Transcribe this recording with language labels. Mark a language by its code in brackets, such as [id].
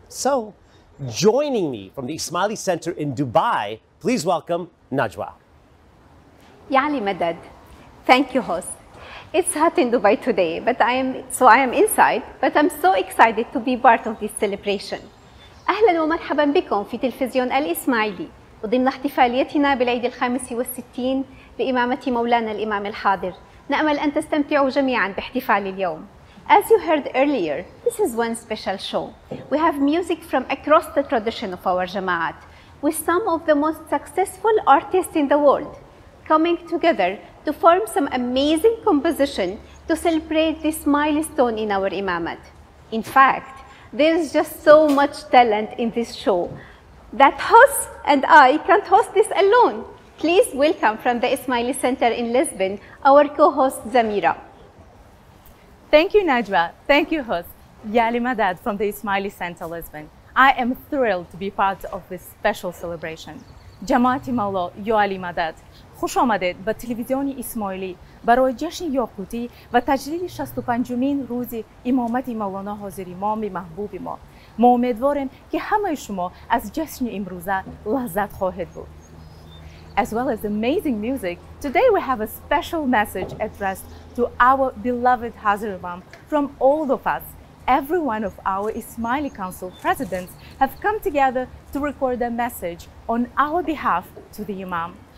[en] So, joining me from the Ismaili Center in Dubai, please welcome Najwa. Ya Ali Madad, thank you, host. It's hot in Dubai today, I am inside, but I'm so excited to be part of this celebration. [ar] اهلا ومرحبا بكم في تلفزيون الاسماعيلي وضمن احتفالياتنا بالعيد الخامس والستين بإمامة مولانا الإمام الحاضر. نأمل أن تستمتعوا جميعا باحتفال اليوم. [en] As you heard earlier, this is one special show. We have music from across the tradition of our Jamaat, with some of the most successful artists in the world coming together to form some amazing composition to celebrate this milestone in our Imamat. In fact, there is just so much talent in this show that host and I can't host this alone. Please welcome from the Ismaili Center in Lisbon, our co-host Zamira. Thank you, Najwa. Thank you, host. Ya Ali Madad from the Ismaili Center, Lisbon. I am thrilled to be part of this special celebration. Jamati Malo, Yo Ali Madad. [fa] خوش آمدید به تلویزیون اسماعیلی برای جشن یاقوتی و تجلیل 65مین روز امامت مولانا حاضر امام محبوب ما. ما امیدواریم که همه شما از جشن امروزه لذت خواهید بود. [en] As well as amazing music, today we have a special message addressed to our beloved Hazar Imam from all of us. Every one of our Ismaili Council Presidents have come together to record a message on our behalf to the Imam.